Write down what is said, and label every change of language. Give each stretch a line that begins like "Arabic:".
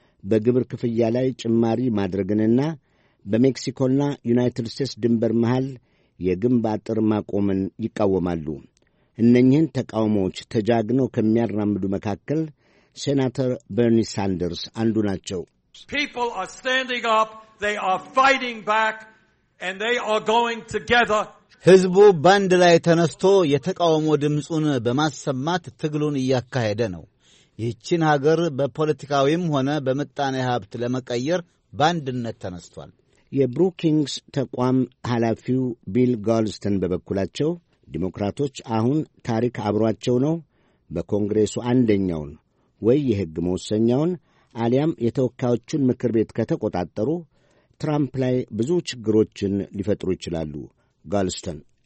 Amharic: በግብር ክፍያ ላይ ጭማሪ ማድረግንና በሜክሲኮና ዩናይትድ ስቴትስ ድንበር መሃል የግንባር ጥር ማቆምን ይቃወማሉ። እነኚህን ተቃውሞዎች ተጃግነው ከሚያራምዱ መካከል ሴናተር በርኒ ሳንደርስ አንዱ ናቸው።
English: People are standing up, they are fighting back, and they are going together.
Amharic: ህዝቡ ባንድ ላይ ተነስቶ የተቃውሞ ድምጹን በማሰማት ትግሉን ያካሄደ ነው። ይህችን ሀገር በፖለቲካዊም ሆነ በመጣኔ ሀብት ለመቀየር ባንድነት ተነስቷል። የብሩኪንግስ ተቋም ኃላፊው ቢል ጎልድስተን በበኩላቸው ዲሞክራቶች አሁን ታሪክ አብሯቸው ነው። በኮንግሬሱ አንደኛውን ወይ የህግ መወሰኛውን አሊያም የተወካዮቹን ምክር ቤት ከተቆጣጠሩ ትራምፕ ላይ ብዙ ችግሮችን ሊፈጥሩ ይችላሉ። ጋልስተን